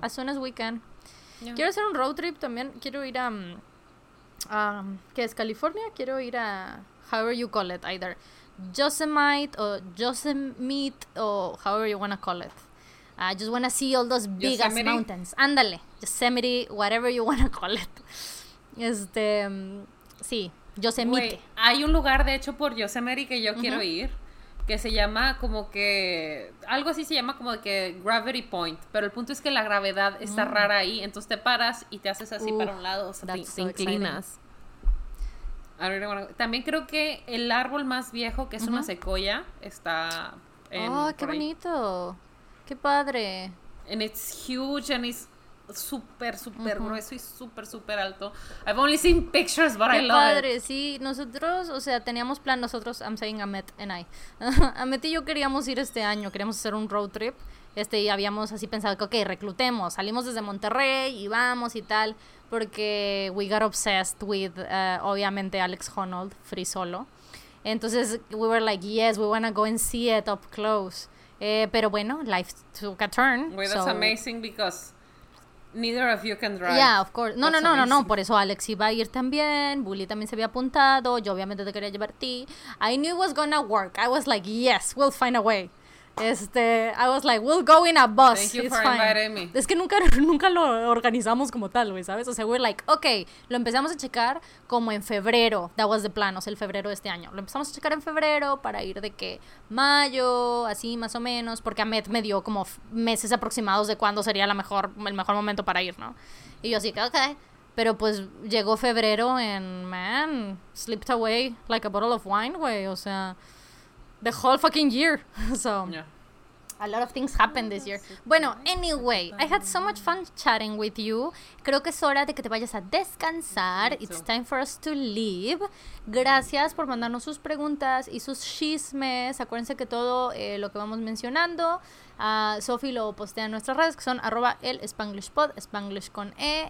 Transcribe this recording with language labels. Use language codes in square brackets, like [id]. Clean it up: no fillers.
[en] As soon as we can. Yeah. [es] Quiero hacer un road trip también. Quiero ir a, ¿qué es? California. Quiero ir a, [en] however you call it, either Yosemite or Yosemite or however you want to call it. I just want to see all those big ass mountains. Ándale, Yosemite, whatever you want to call it. [es] Sí, Yosemite. Wait, hay un lugar de hecho por Yosemite que yo quiero ir, que se llama como que algo así, se llama como que Gravity Point, pero el punto es que la gravedad está rara ahí, entonces te paras y te haces así para un lado, o sea, te inclinas. También creo que el árbol más viejo, que es una secoya, está en, oh, qué bonito. Qué padre. [en] And it's huge and it's super, super [es] grueso y super, super alto. [en] I've only seen pictures, but [es] qué [en] I love [es] padre. [en] It. [es] Qué padre, sí. Nosotros, o sea, teníamos plan, nosotros, [en] I'm saying Amet and I. [es] Amet y yo queríamos ir este año, queríamos hacer un road trip. Y habíamos así pensado que, okay, reclutemos. Salimos desde Monterrey y vamos y tal. [en] Porque we got obsessed with, obviamente, Alex Honnold, Free Solo. Entonces, we were like, yes, we want to go and see it up close. [es] Pero bueno, [en] life took a turn. Well, that's amazing because neither of you can drive. Yeah, of course. [es] No, por eso Alex iba a ir también. Bully también se había apuntado. Yo obviamente te quería llevar a ti. [en] I knew it was going to work. I was like, yes, we'll find a way. I was like, we'll go in a bus. Thank you it's for fine. Inviting me. [es] Es que nunca lo organizamos como tal, güey, ¿sabes? O sea, [en] we're like, okay, [es] lo empezamos a checar como en febrero. [en] That was the plan, [es] o sea, el febrero de este año. Lo empezamos a checar en febrero para ir de que mayo, así más o menos, porque Amet me dio como meses aproximados de cuándo sería el mejor momento para ir, ¿no? Y yo así que, okay. Pero pues llegó febrero and man, slipped away like a bottle of wine, güey, o sea, the whole fucking year, so [en] yeah. A lot of things happened this year. Bueno, anyway, I had so much fun chatting with you. [es] Creo que es hora de que te vayas a descansar. [en] It's time for us to leave. [es] Gracias por mandarnos sus preguntas y sus chismes. Acuérdense que todo lo que vamos mencionando, Sofi lo postea en nuestras redes, que son @elspanglishpod, Spanglish con E.